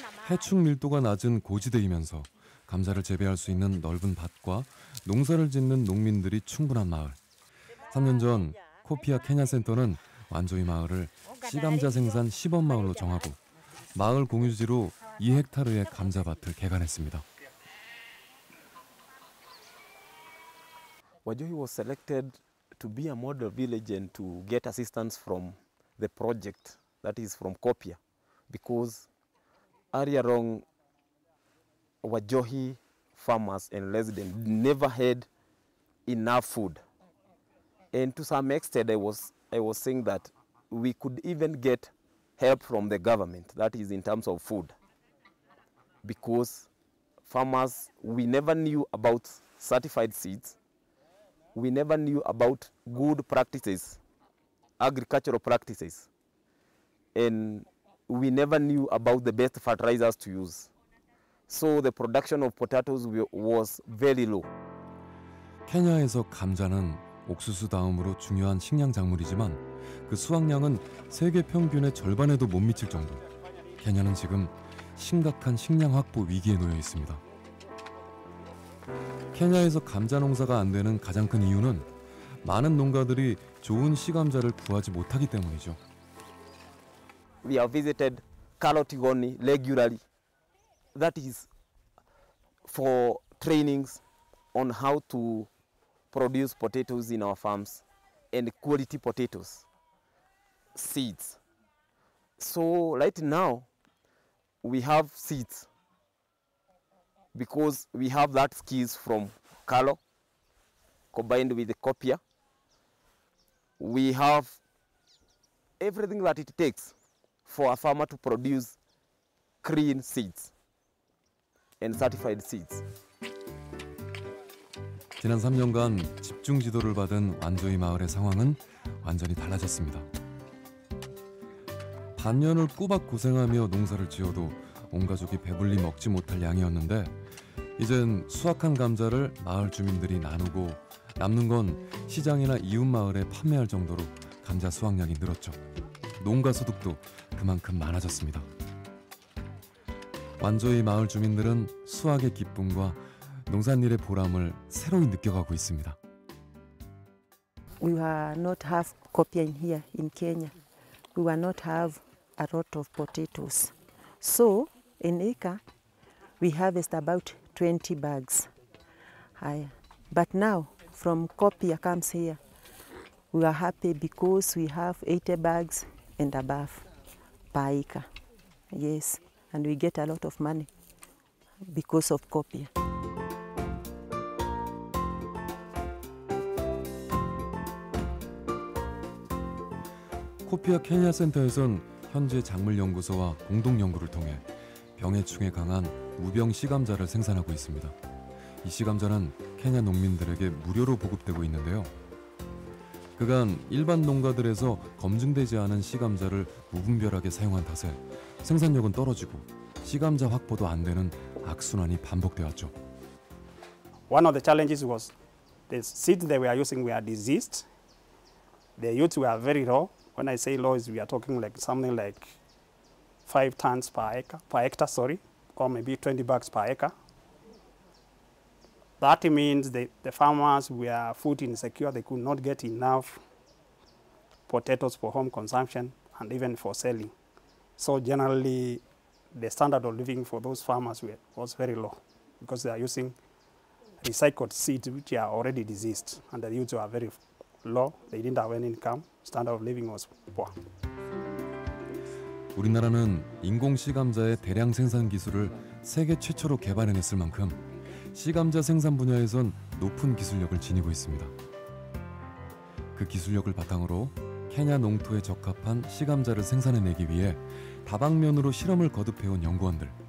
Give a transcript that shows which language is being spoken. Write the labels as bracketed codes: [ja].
[ko] 해충 밀도가 낮은 고지대이면서 감자를 재배할 수 있는 넓은 밭과 농사를 짓는 농민들이 충분한 마을. 3년 전 코피아 케냐 센터는 완조이 마을을 씨감자 생산 시범 마을로 정하고 마을 공유지로 2헥타르의 감자밭을 개간했습니다. [en] Wajohi was selected to be a model village and to get assistance from the project, that is from COPIA, because Ariarong Wajohi farmers and residents never had enough food. And to some extent I was saying that we could even get help from the government, that is in terms of food, because farmers, we never knew about certified seeds. We never knew about good practices, agricultural practices. And we never knew about the best fertilizers to use. So the production of potatoes was very low. [ko] 케냐에서 감자는 옥수수 다음으로 중요한 식량 작물이지만 그 수확량은 세계 평균의 절반에도 못 미칠 정도. 케냐는 지금 심각한 식량 확보 위기에 놓여 있습니다. 케냐에서 감자 농사가 안 되는 가장 큰 이유는 많은 농가들이 좋은 씨감자를 구하지 못하기 때문이죠. [en] We have visited Kalotigoni regularly. That is for trainings on how to produce potatoes in our farms and quality potatoes seeds. So right now we have seeds because we have that skills from Kalo combined with the COPIA. We have everything that it takes for a farmer to produce clean seeds and certified seeds. [ko] 지난 3년간 집중 지도를 받은 완조이 마을의 상황은 완전히 달라졌습니다. 반년을 꼬박 고생하며 농사를 지어도 온 가족이 배불리 먹지 못할 양이었는데 이젠 수확한 감자를 마을 주민들이 나누고 남는 건 시장이나 이웃 마을에 판매할 정도로 감자 수확량이 늘었죠. 농가 소득도 그만큼 많아졌습니다. 완조이 마을 주민들은 수확의 기쁨과 농산일의 보람을 새로이 느껴가고 있습니다. [en] We were not have copia in here in Kenya. We were not have a lot of potatoes. So in acre, we harvest about 20 bags. But now, from copia comes here, we are happy because we have 80 bags and above per acre. Yes, and we get a lot of money because of copia. [ko] 코피아 케냐 센터에선 현재 작물 연구소와 공동 연구를 통해 병해충에 강한 우병 씨감자를 생산하고 있습니다. 이 씨감자는 케냐 농민들에게 무료로 보급되고 있는데요. 그간 일반 농가들에서 검증되지 않은 씨감자를 무분별하게 사용한 탓에 생산력은 떨어지고 씨감자 확보도 안 되는 악순환이 반복되었죠. [en] One of the challenges was the seeds that we are using were diseased. The yields were very low. When I say low, we are talking like something like 5 tons per hectare, or maybe 20 bags per acre. That means the farmers were food insecure. They could not get enough potatoes for home consumption and even for selling. So generally, the standard of living for those farmers was very low because they are using recycled seeds which are already diseased and the yields are very low. They didn't have any income. Standard of living was poor. [ko] 우리나라는 인공 씨감자의 대량 생산 기술을 세계 최초로 개발해냈을 만큼 씨감자 생산 분야에선 높은 기술력을 지니고 있습니다. 그 기술력을 바탕으로 케냐 농토에 적합한 씨감자를 생산해내기 위해 다방면으로 실험을 거듭해온 연구원들.